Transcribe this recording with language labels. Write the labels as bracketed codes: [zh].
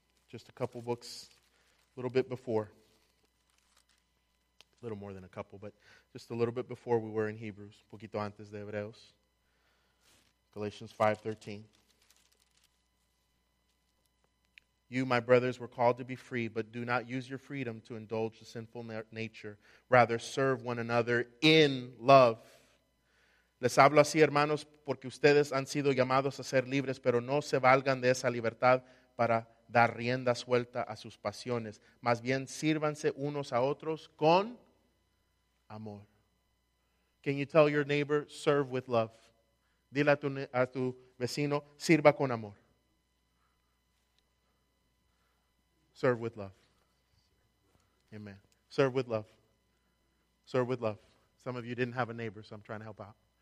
[en] Just a couple books, a little bit before. A little more than a couple, but just a little bit before we were in Hebrews. [es] Un poquito antes de Hebreos. Galatians 5:13. [en] You, my brothers, were called to be free, but do not use your freedom to indulge the sinful nature. Rather, serve one another in love. [es] Les hablo así, hermanos, porque ustedes han sido llamados a ser libres, pero no se valgan de esa libertad para dar rienda suelta a sus pasiones. Más bien, sírvanse unos a otros con amor. [en] Can you tell your neighbor, serve with love? [es] Dile a tu vecino, sirva con amor. [en] Serve with love. Amen. Serve with love. Serve with love. Some of you didn't have a neighbor, so I'm trying to help out.